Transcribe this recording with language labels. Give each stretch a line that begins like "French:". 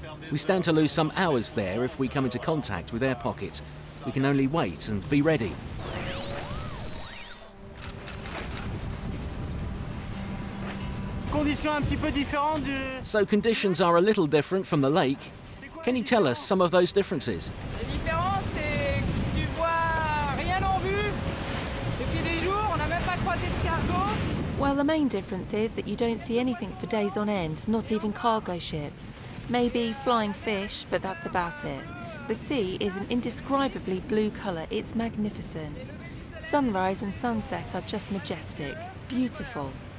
English: We stand to lose some hours there if we come into contact with air pockets. We can only wait and be ready. Go!
French: conditions un petit peu différentes du...
English: So conditions are a little different from the lake. Can you tell us some of those differences?
French: La différence, c'est que tu vois rien en vue depuis des jours, on n'a même pas croisé de cargo.
English: Well, the main difference is that you don't see anything for days on end, not even cargo ships. Maybe flying fish, but that's about it. The sea is an indescribably blue colour, it's magnificent. Sunrise and sunset are just majestic, beautiful.